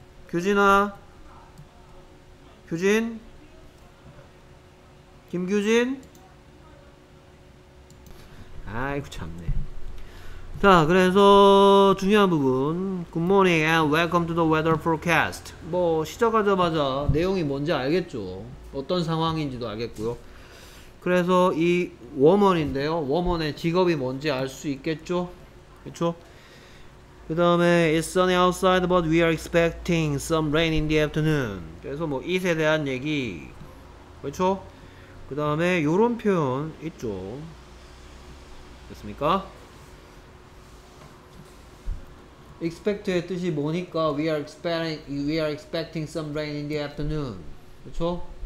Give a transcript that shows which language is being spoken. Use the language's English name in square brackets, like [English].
[Korean] 규진아? 규진? 김규진? 아이고 참네. 자, 그래서 중요한 부분. [English] Good morning and welcome to the weather forecast. [Korean] 뭐 시작하자마자 내용이 뭔지 알겠죠. 어떤 상황인지도 알겠고요. 그래서 이 워먼인데요. 워먼의 직업이 뭔지 알수 있겠죠. 그렇죠? 그다음에 [English] It's sunny outside, but we are expecting some rain in the afternoon. [Korean] 그래서 뭐 it에 대한 얘기. 그렇죠? 그다음에 요런 표현 있죠. 됐습니까? expect의 뜻이 뭐니까 [English] we are expecting some rain in the afternoon. 그렇죠?